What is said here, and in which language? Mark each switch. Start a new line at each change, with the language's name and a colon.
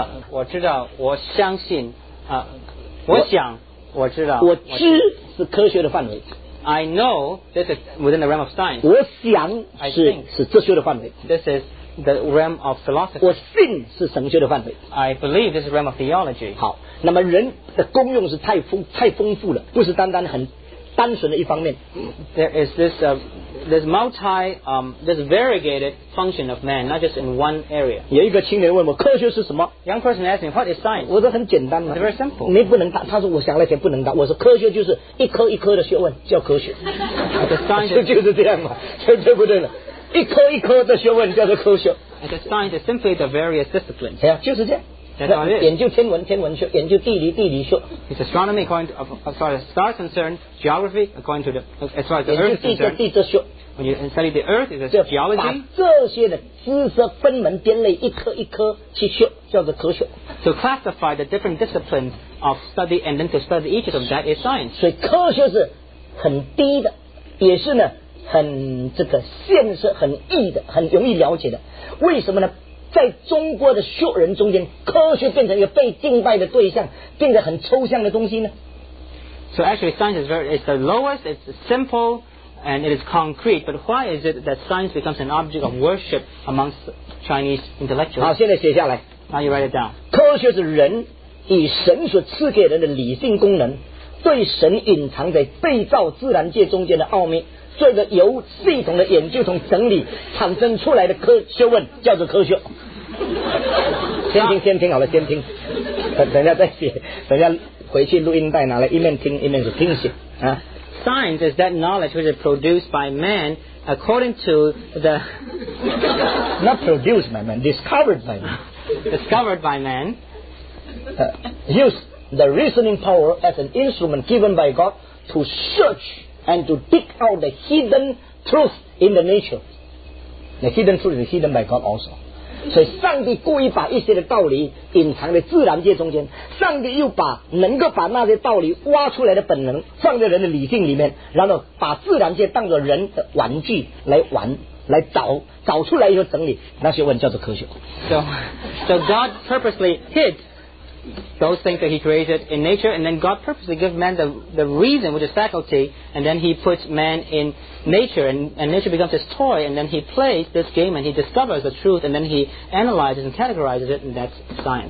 Chinese: 我知道，我相信，我想，我知道，我知是科学的范围。
English: I know this is within the realm of science.
Chinese: 我想是 是哲学的范围。
English: This is the realm of philosophy.
Chinese: 我信是神学的范围。
English: I believe this is realm of theology.
Chinese: 好，那么人的功用是太丰富了，不是单单很单纯的一方面。
English: There is this this variegated function of man, not just in one area.
Chinese: 有一个青年问我科学是什么？
English: Young person asked me, what is science?
Chinese: 我说很简单嘛。
English: It's very simple.
Chinese: 你不能答，他说我想了一天不能答。我说科学就是一颗一颗的学问叫科学。
English: The science
Chinese: 就是这样嘛，对不对了？一颗一颗的学问叫做科学。
English: And the science is simply the various disciplines.
Chinese: 对啊，就是这样。研究天文，天文学；研究地理，地理学。
English: It's astronomy according to, stars concerned, geography according to the, as far as the earth concerned.
Chinese: 研究地质学。
English: When you study the earth, it's a geology.
Chinese: 把这些的知识分门别类，一颗一颗去学，叫做科学。
English: To classify the different disciplines of study and then to study each of them, that is science.
Chinese: 所以科学是很低的，也是呢很这个现实、很易的、很容易了解的。为什么呢？在中国的学人中间，科学变成一个被敬拜的对象，变得很抽象的东西呢？
English: So actually, science is very—it's the lowest, it's simple, and it is concrete. But why is it that science becomes an object of worship amongst Chinese intellectuals?
Chinese: 好，现在写下来。
English: Now you write it down.
Chinese: 科学是人以神所赐给人的理性功能，对神隐藏在被造自然界中间的奥秘。这个由系统的研究和整理产生出来的科学问叫做科学。先听先听好了，先听，等一下再写，等一下回去录音带拿来，一面听一面是听写啊。
English: Science is that knowledge which is produced by man according to the not produced by man, discovered by man. Discovered by man. Use the reasoning power as an instrument given by God to search. And to dig out the hidden truth in the nature. The hidden truth is hidden by God also.
Chinese: 所以上帝故意把一些的道理隐藏在自然界中间，上帝又把能够把那些道理挖出来的本能放在人的理性里面，然后把自然界当作人的玩具来玩，来找，找出来以后整理，那些问叫做科学。
English: So God purposely hid. Those things that he created in nature, and then God purposely gives man the reason, which is faculty, and then he puts man in nature, and nature becomes his toy, and then he plays this game, and he discovers the truth, and then he analyzes and categorizes it, and that's science.